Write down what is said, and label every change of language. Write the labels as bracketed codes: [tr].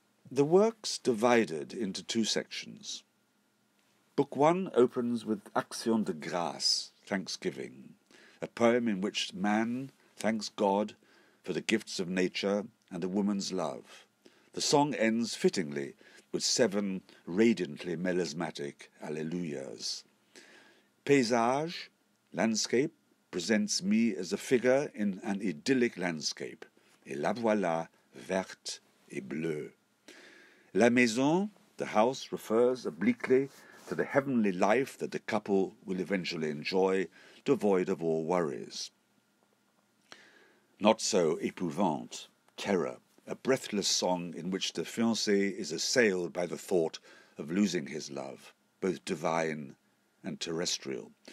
[en] The works divided into 2 sections. Book 1 opens with Action de Grâce, Thanksgiving, a poem in which man thanks God for the gifts of nature and a woman's love. The song ends fittingly with 7 radiantly melismatic Alleluias. Paysage, landscape, presents me as a figure in an idyllic landscape. [fr] Et la voilà verte et bleue. [en] La maison, the house, refers obliquely to the heavenly life that the couple will eventually enjoy, devoid of all worries. Not so épouvante, terror, a breathless song in which the fiancé is assailed by the thought of losing his love, both divine and terrestrial.